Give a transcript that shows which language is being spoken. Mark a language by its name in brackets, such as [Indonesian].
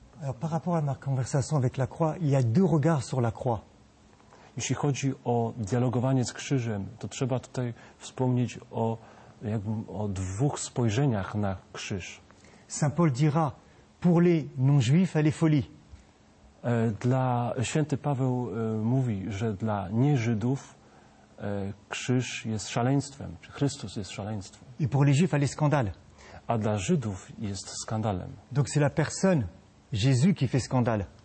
[French] Alors, par rapport à ma conversation avec la croix, il y a deux regards sur la croix. [Polish] Jeśli chodzi o dialogowanie z krzyżem, to trzeba tutaj wspomnieć o, jakby, o dwóch spojrzeniach na krzyż. [French] Saint Paul dira, pour les non-juifs, elle est folie. [Polish] Dla Święty Paweł mówi, że dla nie-Żydów krzyż jest szaleństwem, czy Chrystus jest szaleństwem. [French] Et pour les juifs, elle est scandale. [Polish] A dla Żydów jest skandalem. [French] Donc c'est la personne, Jésus, qui fait scandale.